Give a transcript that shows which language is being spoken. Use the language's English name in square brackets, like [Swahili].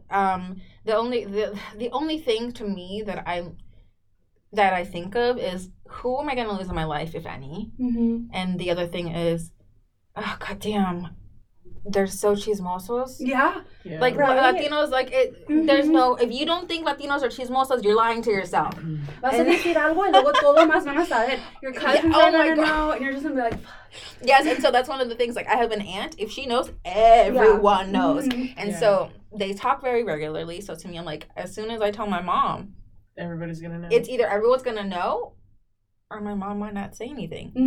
[English] The only thing to me that I think of is, who am I going to lose in my life, if any? Mm-hmm. And the other thing is, oh, goddamn, they're so chismosos. Yeah. Like, right. Latinos, like, it. Mm-hmm. There's no, if you don't think Latinos are chismosos, you're lying to yourself. [Spanish] Vas a decir algo y luego todo más van a saber. [English] Your cousins are going to know, and you're just going to be like, fuck. Yes, and so that's one of the things, like, I have an aunt. If she knows, everyone yeah. knows. Mm-hmm. And yeah. so they talk very regularly. So to me, I'm like, as soon as I tell my mom, everybody's gonna know. It's either everyone's gonna know or my mom might not say anything. Mm-hmm.